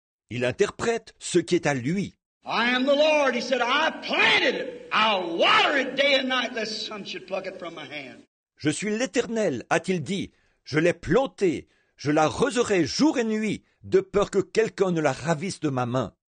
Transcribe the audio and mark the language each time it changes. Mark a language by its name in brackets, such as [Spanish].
[French] Il interprète ce qui est à lui. [English] I am the Lord, he said, I planted it. I'll water it day and night, lest some should pluck it from my hand. [French] Je suis l'Éternel, a-t-il dit, je l'ai planté. Je la roserai jour et nuit, de peur que quelqu'un ne la ravisse de ma main.